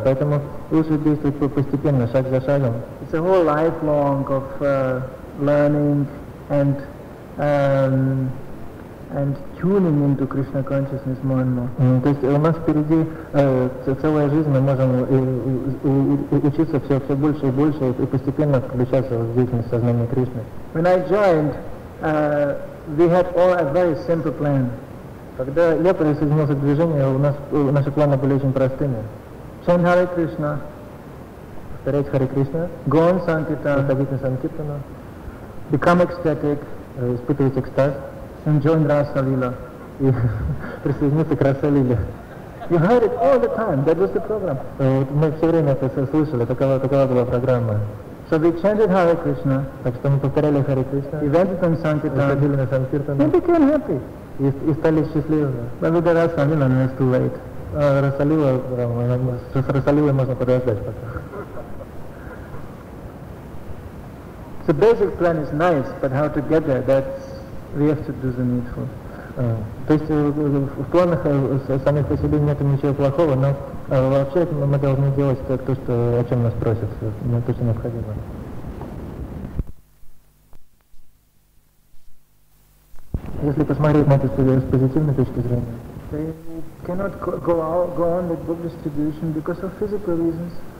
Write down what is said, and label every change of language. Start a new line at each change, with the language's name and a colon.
Russian: Поэтому лучше действовать постепенно, шаг за шагом.
English: It's a whole lifelong of learning and and tuning into Krishna consciousness more and more.
Russian: То есть у нас впереди целая жизнь, мы можем учиться все больше и больше и постепенно включаться в деятельность сознания Кришны.
English: When I joined, we had all a very simple plan.
Russian: Когда я присоединился к движению, у нас наши планы были очень простыми.
English: Chant Hare Krishna.
Russian: Повторять Харе Кришна.
English: Go on Sankirtana.
Russian: Проходить на Санкиртану.
English: Become ecstatic.
Russian: Испытывать экстаз.
English: And join Rasa Lila.
Russian: Присоединиться к Раса Лиле.
English: You heard it all the time. That was the program.
Russian: Мы все время это все слышали. Такова была программа.
English: So we chanted Hare Krishna.
Russian: Так что мы повторяли Харе Кришна.
English: We went on Sankirtana.
Russian: Проходили на Санкиртану.
English: We became happy.
Russian: И стали счастливыми.
English: But with Rasa Lila, it's too late.
Russian: Раса Лила, с Раса Лилой можно подождать пока.
English: So basic plan is nice, but how to get there, that's we have to do the needful.
Russian: То есть в планах самих по себе нет ничего плохого, но вообще мы должны делать то, что о чем нас просят, нам точно необходимо. Если посмотреть на это с позитивной точки зрения.
English: They cannot go on with book distribution because of physical reasons.